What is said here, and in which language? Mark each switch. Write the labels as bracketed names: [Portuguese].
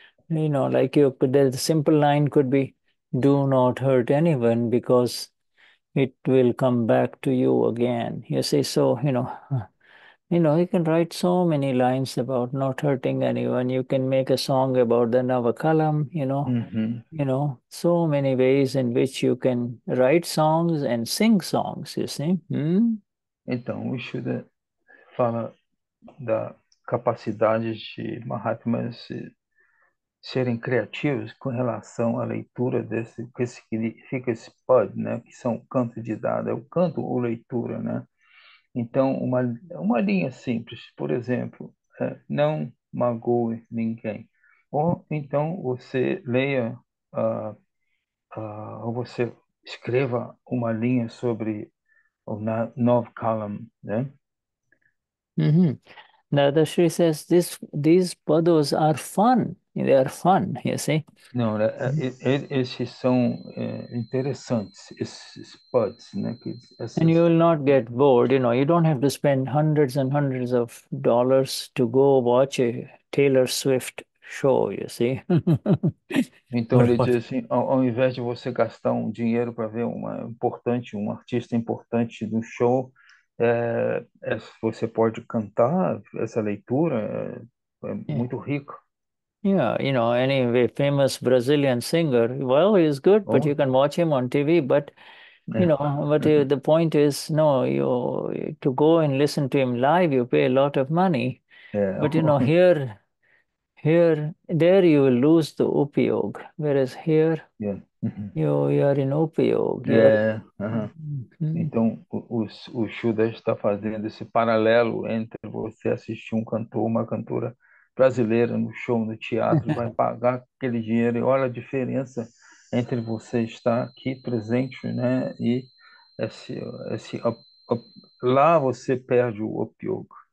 [English] You know, like you could, the simple line could be, do not hurt anyone because it will come back to you again. You see, so, you can write so many lines about not hurting anyone. You can make a song about the Navakalam, so many ways in which you can write songs and sing songs, you see. [Portuguese] Então, o Shuddha fala da capacidade de Mahatmas serem criativos com relação à leitura desse, o que significa esse pad, né? Que são canto de Dada, é o canto ou leitura, né? Então, uma linha simples, por exemplo, não magoe ninguém. Ou então você leia, ou você escreva uma linha sobre o Nav Kalam, né? [English] Dada Shri says these padas are fun. They are fun, you see. [Portuguese] Não, esses são interessantes, esses pods, né? [English] And you will not get bored, you know. You don't have to spend hundreds and hundreds of dollars to go watch a Taylor Swift show, you see. [Portuguese] Então ele diz assim, ao invés de você gastar um dinheiro para ver um artista importante no show, você pode cantar essa leitura, muito rico. [English] Yeah, you know, any famous Brazilian singer, well, he's good, but you can watch him on TV. But, you know, but the point is, no, you to go and listen to him live, you pay a lot of money. Yeah. But you know, there you will lose the upayog, whereas here Yeah. you are in upayog, you are. [Portuguese] É, Então o Judas está fazendo esse paralelo entre você assistir um cantor, uma cantora brasileira no show, no teatro, e vai pagar aquele dinheiro, e olha a diferença entre você estar aqui presente, né, e esse lá você perde o opioid.